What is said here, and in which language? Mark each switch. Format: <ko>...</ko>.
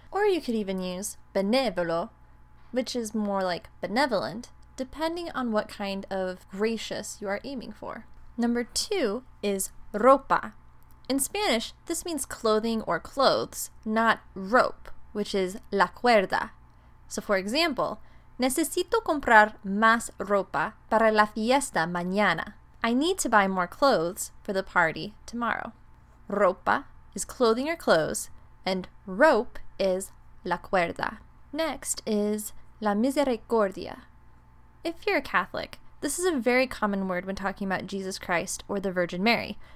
<en>Or you could even use benévolo, which is more like benevolent, depending on what kind of gracious you are aiming for. Number two is ropa. In Spanish, this means clothing or clothes, not rope, which is la cuerda. So for example,</en> <es>necesito comprar más ropa para la fiesta mañana.</es> <en>I need to buy more clothes for the party tomorrow. Ropa is clothing or clothes, and rope is la cuerda. Next is la misericordia. If you're a Catholic, this is a very common word when talking about Jesus Christ or the Virgin Mary.</en>